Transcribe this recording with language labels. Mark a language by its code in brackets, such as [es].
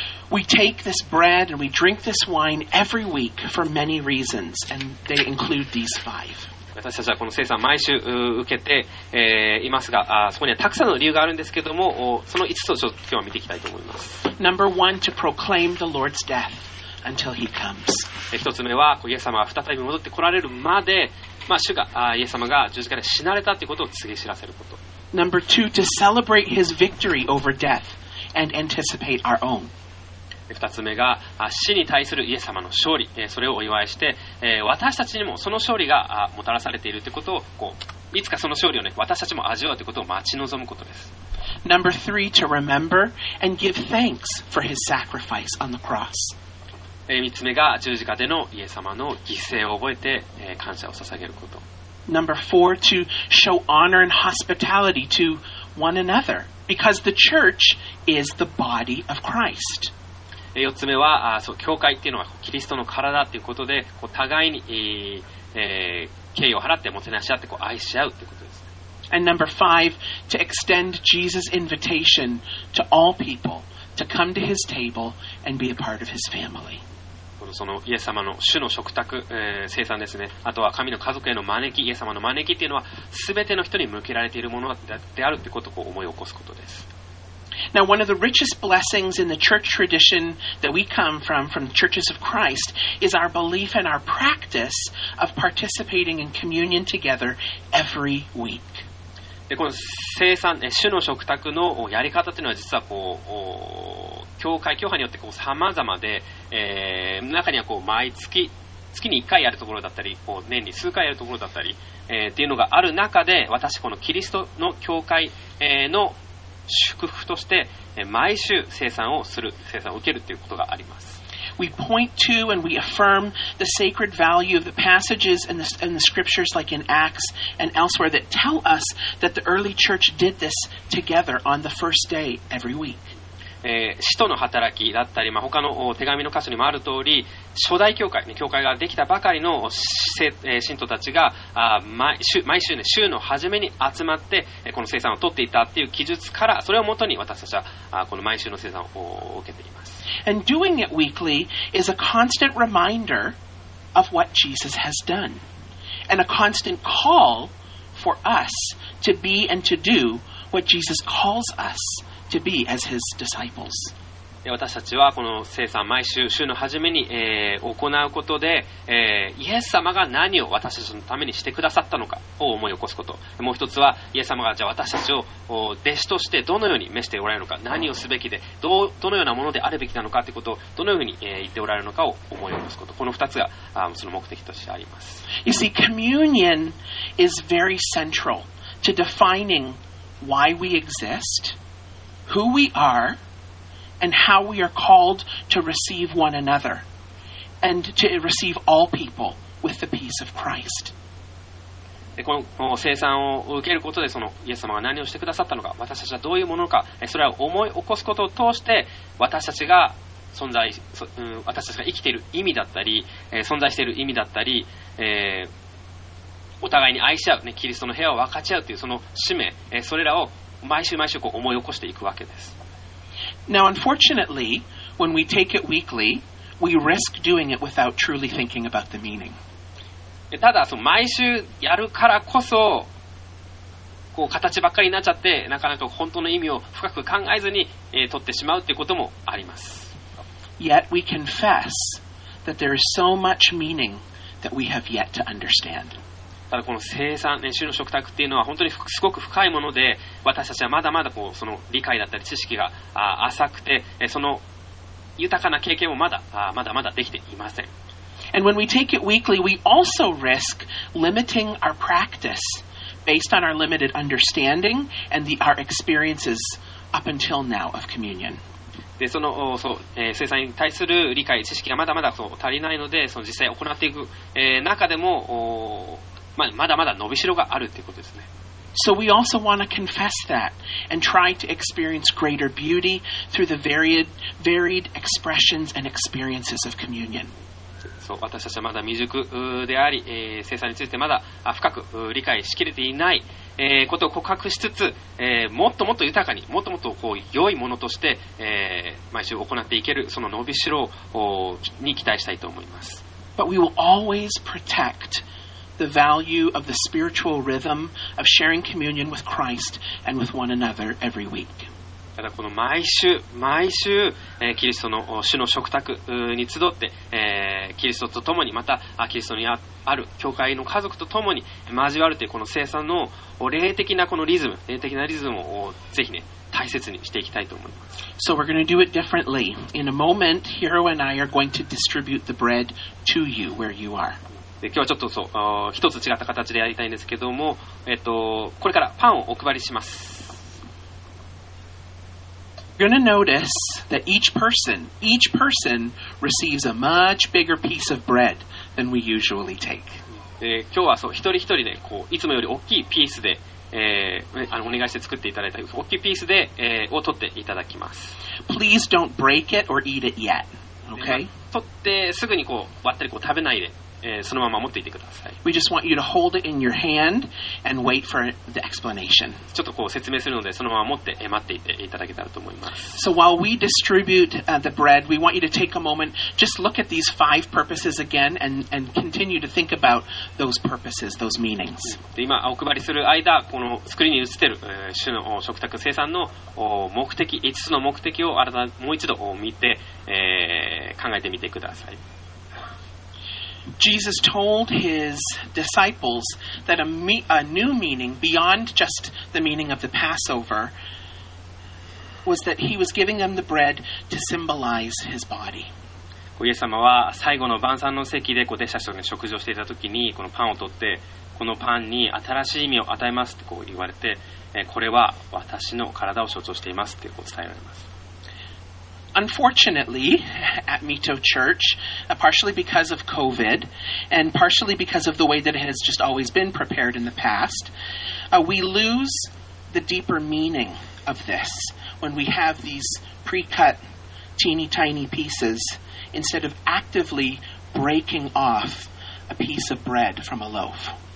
[en] We take this bread and we drink this wine every week for many reasons, and they include these five. [ja] 私たちはこの聖餐毎週受けて、いますが、そこにはたくさんの理由があるんですけれども、その5つをちょっと今日は見ていきたいと思います。 [en] Number one, to proclaim the Lord's death until he comes. [ja] 1つ目は、イエス様が再び戻ってこられるまで、まあ、主がイエス様が十字架で死なれたということを告げ知らせること。 [en] Number two, to celebrate his victory over death and anticipate our own. [ja] 2つ目が死に対するイエス様の勝利、それをお祝いして、私たちにもその勝利がもたらされているということを、こういつかその勝利を、ね、私たちも味わうということを待ち望むことです。 [en] Number three, to remember and give thanks for his sacrifice on the cross. [ja] 3つ目が十字架でのイエス様の犠牲を覚えて、感謝を捧げること。 [en] Number four, to show honor and hospitality to one another because the church is the body of Christ. [ja] 4つ目は、教会っていうのはキリストの体っていうことで、互いに、敬意を払って、もてなし合って、愛し合うっていうことです。 [en] And number five, to extend Jesus' invitation to all people to come to his table and be a part of his family. [ja] そのイエス様の主の食卓、生産ですね、あとは神の家族への招き、イエス様の招きというのは全ての人に向けられているものであるということをこう思い起こすことです。 [en] Now one of the richest blessings in the church tradition that we come from the churches of Christ is our belief and our practice of participating in communion together every week。 [ja] でこの生産、主の食卓のやり方というのは実はこう教会、教派によってこう様々で、中にはこう毎月、月に1回やるところだったり、こう年に数回やるところだったり、っていうのがある中で、私このキリストの教会、の祝福として、毎週聖餐をする、聖餐を受けるということがあります。 [en] We point to and we affirm the sacred value of the passages and the scriptures like in Acts and elsewhere that tell us that the early church did this together on the first day every week. [ja] 使徒の働きだったり、まあ、他の手紙の箇所にもある通り初代教会、ね、教会ができたばかりの信徒たちが毎週、ね、週の初めに集まってこの聖餐を取っていたという記述からそれをもとに私たちはこの毎週の聖餐を受けています。 [en] And doing it weekly is a constant reminder of what Jesus has done and a constant call for us to be and to do what Jesus calls usTo be as his disciples. [ja] 私たちはこの聖餐毎週週の初めに、行うことで、イエス様が何を私たちのためにしてくださったのかを思い起こすこと、もう一つはイエス様がじゃあ私たちを弟子としてどのように召しておられるのか、何をすべきで どのようなものであるべきなのかということをどのように、言っておられるのかを思い起こすこと、この二つがその目的としてあります。 [en] You see, communion is very central to defining why we exist. Who we are and how we are called to receive one another and to receive all people with the peace of Christ. [ja] この聖餐を受けることでそのイエス様が何をしてくださったのか、私たちはどういうものか、それを思い起こすことを通して私たちが存在、私たちが生きている意味だったり、存在している意味だったり、お互いに愛し合う、ね、キリストの部屋を分かち合うというその使命、それらを毎週毎週こう思い起こしていくわけです。 [en] Now, unfortunately, when we take it weekly, we risk doing it without truly thinking about the meaning. [ja] ただ、その毎週やるからこそ、こう形ばっかりになっちゃって、なかなか本当の意味を深く考えずに、取ってしまうということもあります。 [en] Yet we confess that there is so much meaning that we have yet to understand. [ja] ただこの生産、ね、主の食卓っていうのは本当にすごく深いもので、私たちはまだまだこうその理解だったり知識が浅くて、その豊かな経験もまだまだできていません。 [en] And when we take it weekly, we also risk limiting our practice based on our limited understanding and our experiences up until now of communion. [ja] でその生産に対する理解、知識がまだまだそう足りないので、その実際行っていく、中でも、まだまだ伸びしろがあるということですね。 [en] So we also want to confess that and try to experience greater beauty through the varied expressions and experiences of communion. [ja] そう、私たちはまだ未熟であり、聖餐についてまだ深く理解しきれていない、ことを告白しつつ、もっともっと豊かに、もっともっとこう良いものとして、毎週行っていけるその伸びしろに期待したいと思います。 [en] But we will always protectthe value of the spiritual rhythm of sharing communion with Christ and with one another every week. [ja] ただこの毎週、キリストの主の食卓に集って、キリストと共に、またキリストにある教会の家族と共に交わるというこの聖餐の霊的なこのリズム、霊的なリズムをぜひね、大切にしていきたいと思います。 [en] So we're going to do it differently. In a moment, Hiro and I are going to distribute the bread to you where you are. [ja] で今日はちょっとそう一つ違った形でやりたいんですけども、これからパンをお配りします。 [en] You're gonna notice that each person receives a much bigger piece of bread than we usually take. [ja] 今日はそう一人一人でこういつもより大きいピースで、お願いして作っていただいた大きいピースで、を取っていただきます。 [en] Please don't break it or eat it yet. Okay? [ja] 取ってすぐにこう割ったりこう食べないで。そのまま持っていてください。 [en] We just want you to hold it in your hand and wait for the explanation. [ja] ちょっとこう説明するので、そのまま持って待っていていただけたらと思います。 [en] So while we distribute the bread, we want you to take a moment, just look at these five purposes again and continue to think about those purposes, those meanings. [ja] で今お配りする間、このスクリーンに映っている主の食卓生産の目的、5つの目的を改めてもう一度見て、考えてみてください。 [en] Jesus told his disciples that a new meaning beyond just the meaning of the Passover was that he was giving them the bread to symbolize his body. [ja] イエス様は最後の晩餐の席で弟子たちと食事をしていた時にこのパンを取ってこのパンに新しい意味を与えますと言われてこれは私の体を象徴していますと伝えられます。 [en] Unfortunately, at Mito Church, partially because of COVID, and partially because of the way that it has just always been prepared in the past, we lose the deeper meaning of this when we have these pre-cut teeny tiny pieces instead of actively breaking off a piece of bread from a loaf.